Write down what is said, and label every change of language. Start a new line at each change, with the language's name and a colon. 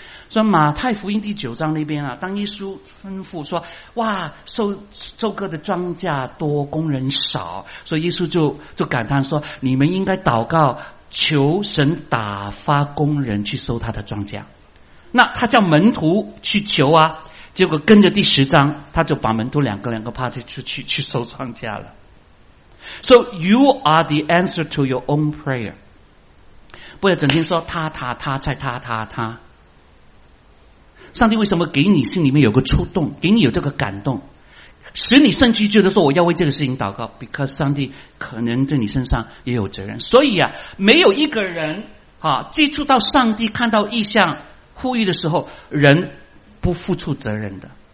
Chinese: 所以马太福音第九章那边啊，当耶稣吩咐说，哇，收割的庄稼多，工人少，所以耶稣就感叹说，你们应该祷告求神打发工人去收他的庄稼。那他叫门徒去求啊，结果跟着第十章，他就把门徒两个 party 去收庄稼了。
English: So you are the answer to your own prayer.
Chinese: 不要整天说他他他在他他他。上帝为什么给你心里面有个触动，给你有这个感动，使你甚至觉得说我要为这个事情祷告？ Because 上帝可能对你身上也有责任。所以啊，没有一个人啊接触到上帝，看到异象呼吁的时候，人不付出责任的。